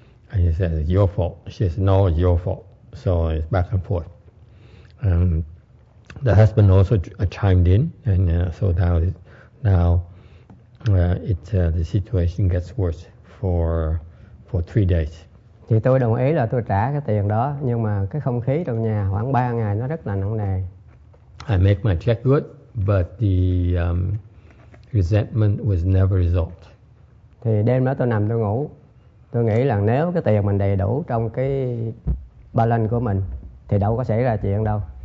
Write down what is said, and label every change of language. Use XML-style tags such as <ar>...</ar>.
<en>And he said, it's your fault. She said, no, it's your fault. So it's back and forth. The husband also chimed in, and so the situation gets worse for 3 days.</en> <vi>Thì tôi đồng ý là tôi trả cái tiền đó, nhưng mà cái không khí trong nhà khoảng 3 ngày nó rất là nặng nề.</vi> <en>I make my check good, but the resentment was never resolved.</en> <vi>Thì đêm đó tôi nằm tôi ngủ, tôi nghĩ là nếu cái tiền mình đầy đủ trong cái balance của mình thì đâu có xảy ra chuyện đâu.</vi>